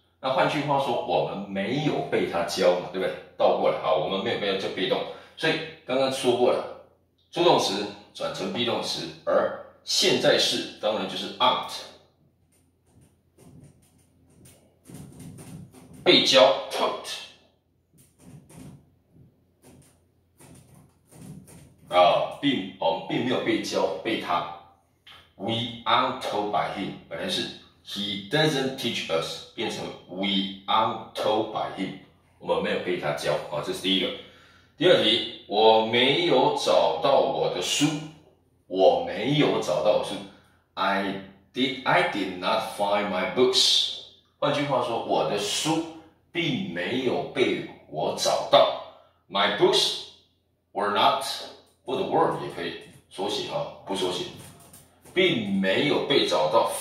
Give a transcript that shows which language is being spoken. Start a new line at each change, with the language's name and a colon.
Chinese: 那换句话说，我们没有被他教嘛，对不对？倒过来啊，我们没有这被动，所以刚刚说过了，助动词转成 be 动词，而现在式当然就是 aren't， 被教 taught 啊，我们并没有被教，被他
English: we aren't told by him，
Chinese: 本来是。
English: He doesn't teach us
Chinese: 变成
English: We aren't told by him，
Chinese: 我们没有被他教啊，这是第一个。第二题，我没有找到我的书，我没有找到我的书。
English: I did not find my books，
Chinese: 换句话说我的书并没有被我找到。
English: My books were not，
Chinese: 或者 were 也可以缩写不缩写，并没有被找到。